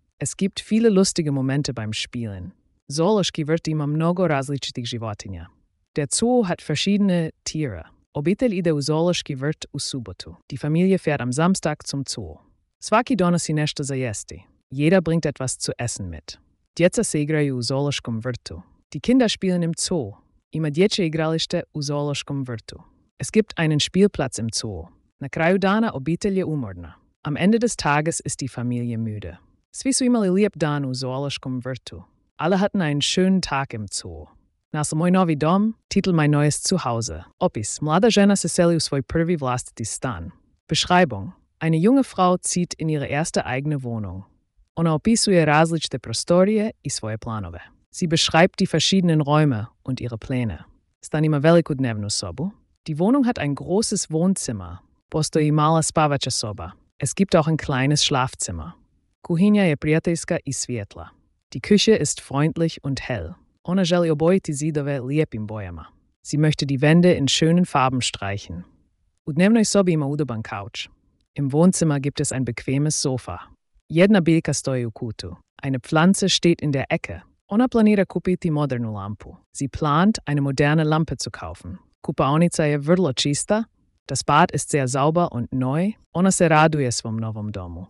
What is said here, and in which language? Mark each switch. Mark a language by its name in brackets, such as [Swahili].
[German] Es gibt viele lustige Momente beim Spielen. [Croatian] Zoološki vrt ima mnogo različitih životinja. [German] Der Zoo hat verschiedene Tiere. [Croatian] Obitelj ide u zoološki vrt u subotu. [German] Die Familie fährt am Samstag zum Zoo. [Croatian] Svaki donosi nešto za jesti. [German] Jeder bringt etwas zu essen mit. [Croatian] Djeca se igraju u zoološkom vrtu. [German] Die Kinder spielen im Zoo. [Croatian] Ima dječje igralište u zoološkom vrtu. [German] Es gibt einen Spielplatz im Zoo. [Croatian] Na kraju dana obitelj je umorna. [German] Am Ende des Tages ist die Familie müde. [Croatian] Svi su imali lijep dan u zoološkom vrtu. [German] Alle hatten einen schönen Tag im Zoo. [Croatian] Naslov Moj novi dom, [German] titel Mein neues Zuhause. [Croatian] Opis, mlada žena se seli u svoj prvi vlastiti stan. [German] Beschreibung, eine junge Frau zieht in ihre erste eigene Wohnung. [Croatian] Ona opisuje različite prostorije i svoje planove. [German] Sie beschreibt die verschiedenen Räume und ihre Pläne. [Croatian] Stan ima veliku dnevnu sobu. [German] Die Wohnung hat ein großes Wohnzimmer. [Croatian] Postoji mala spavača soba. [German] Es gibt auch ein kleines Schlafzimmer. [Croatian] Kuhinja je prijateljska i svjetla. [German] Die Küche ist freundlich und hell. [Croatian] Ona želi obojiti zidove lijepim bojama. [German] Sie möchte die Wände in schönen Farben streichen. [Croatian] U dnevnoj sobi ima udoban kauč. [German] Im Wohnzimmer gibt es ein bequemes Sofa. [Croatian] Jedna biljka stoji u kutu. [German] Eine Pflanze steht in der Ecke. [Croatian] Ona planira kupiti modernu lampu. [German] Sie plant, eine moderne Lampe zu kaufen. [Croatian] Kupaonica je vrlo čista. [German] Das Bad ist sehr sauber und neu. [Croatian] Ona se raduje svom novom domu.